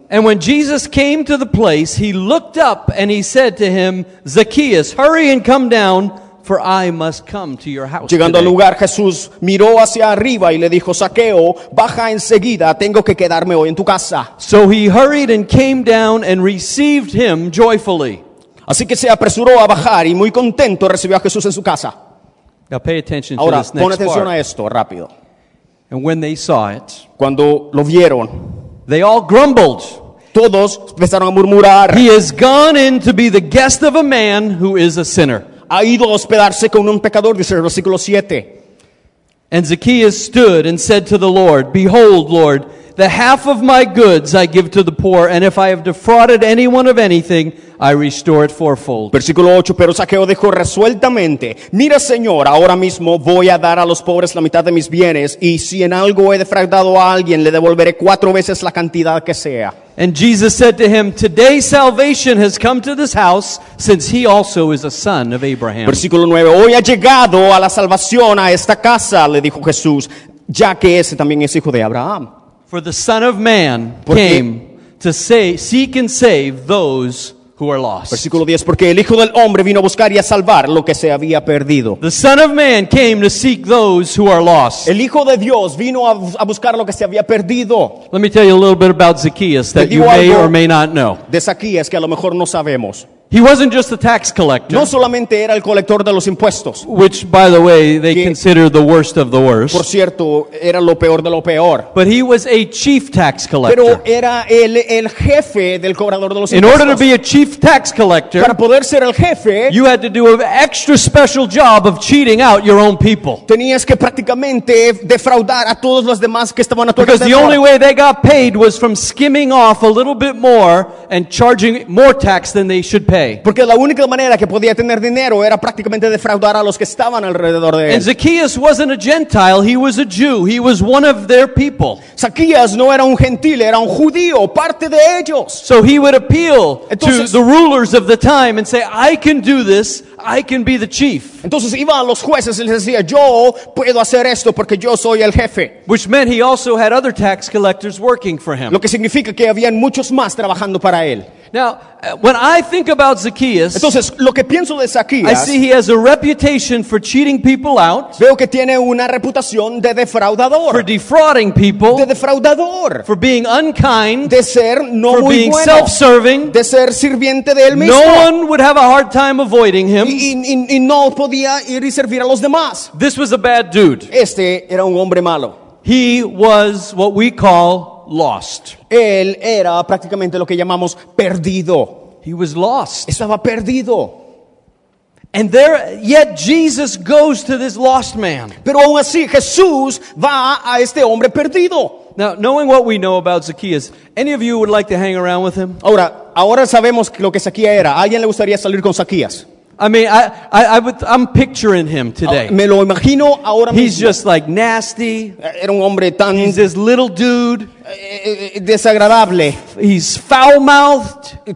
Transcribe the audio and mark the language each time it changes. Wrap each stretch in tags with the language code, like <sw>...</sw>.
<en>And when Jesus came to the place, he looked up and he said to him, Zacchaeus, hurry and come down, for I must come to your house.</en> <es>Llegando</es> <en>today.</en> <es>Al lugar, Jesús miró hacia arriba y le dijo, Zaqueo, baja enseguida, tengo que quedarme hoy en tu casa.</es> <en>So he hurried and came down and received him joyfully.</en> <es>Así que se apresuró a bajar y muy contento recibió a Jesús en su casa.</es> <en>Now pay attention to</en> <es>Ahora,</es> <en>this next</en> <es>pon atención</es> <en>part.</en> <es>A esto, rápido.</es> <en>And when they saw it,</en> <es>cuando lo vieron,</es> <en>they all grumbled.</en> <es>Todos empezaron a murmurar.</es> <en>He has gone in to be the guest of a man who is a sinner.</en> <es>Ha ido a hospedarse con un pecador, dice el versículo 7.</es> <en>And Zacchaeus stood and said to the Lord, Behold, Lord, the half of my goods I give to the poor, and if I have defrauded anyone of anything, I restore it fourfold.</en> <es>Versículo 8, pero Zaqueo dijo resueltamente, Mira, Señor, ahora mismo voy a dar a los pobres la mitad de mis bienes, y si en algo he defraudado a alguien, le devolveré cuatro veces la cantidad que sea.</es> <en>And Jesus said to him, Today salvation has come to this house, since he also is a son of Abraham.</en> <es>Versículo 9, hoy ha llegado a la salvación a esta casa, le dijo Jesús, ya que ese también es hijo de Abraham.</es> <en>For the Son of Man came to seek and save those who are lost.</en> <es>Versículo 10, porque el Hijo del Hombre vino a buscar y a salvar lo que se había perdido.</es> <en>The Son of Man came to seek those who are lost.</en> <es>El Hijo de Dios vino a buscar lo que se había perdido.</es> <en>Let me tell you a little bit about Zacchaeus that you may or may not know.</en> <es>De Zacchaeus que a lo mejor no sabemos.</es> <en>He wasn't just a tax collector.</en> <es>No solamente era el colector de los impuestos.</es> <en>Which, by the way, they consider the worst of the worst.</en> <es>Por cierto, era lo peor de lo peor.</es> <en>But he was a chief tax collector.</en> <es>Pero era el jefe del cobrador de los impuestos.</es> <en>In order to be a chief tax collector,</en> <es>para poder ser el jefe,</es> <en>you had to do an extra special job of cheating out your own people.</en> <es>Tenías que prácticamente defraudar a todos los demás que estaban a tu alrededor.</es> <en>Because the only way they got paid was from skimming off a little bit more and charging more tax than they should.</en> <es>Porque la única manera que podía tener dinero era prácticamente defraudar a los que estaban alrededor de él.</es> <en>And Zacchaeus wasn't a Gentile, he was a Jew. He was one of their people.</en> <es>Zacchaeus no era un gentil, era un judío, parte de ellos.</es> <en>So he would appeal to the rulers of the time and say, I can do this, I can be the chief.</en> <es>Entonces iba a los jueces y les decía, yo puedo hacer esto porque yo soy el jefe.</es> <en>Which meant he also had other tax collectors working for him.</en> <es>Lo que significa que habían muchos más trabajando para él.</es> <en>Now, when I think about Zacchaeus,</en> <es>Entonces, lo que pienso de Zacchaeus,</es> <en>I see he has a reputation for cheating people out,</en> <es>veo que tiene una reputación de defraudador,</es> <en>for defrauding people,</en> <es>de defraudador,</es> <en>for being unkind,</en> <es>de ser no</es> <en>for</en> <es>muy</es> <en>being</en> <es>bueno,</es> <en>self-serving,</en> <es>de ser sirviente de él mismo.</es> <en>No one would have a hard time avoiding him.</en> <es>Y no podía ir y servir a los demás.</es> <en>This was a bad dude.</en> <es>Este era un hombre malo.</es> <en>He was what we call lost.</en> <es>Él era prácticamente lo que llamamos perdido.</es> <en>He was lost.</en> <es>Estaba perdido.</es> <en>And there, yet Jesus goes to this lost man.</en> <es>Pero aún así, Jesús va a este hombre perdido.</es> <en>Now, knowing what we know about Zacchaeus, any of you would like to hang around with him?</en> <es>Ahora sabemos lo que Zacchaeus era. ¿Alguien le gustaría salir con Zacchaeus?</es> <en>I mean, I'm picturing him today.</en> <es>Me lo imagino ahora mismo.</es> <en>He's just like nasty.</en> <es>Era un hombre tan.</es> <en>He's this little dude.</en> <es>Desagradable.</es> <en>He's foul-mouthed.</en>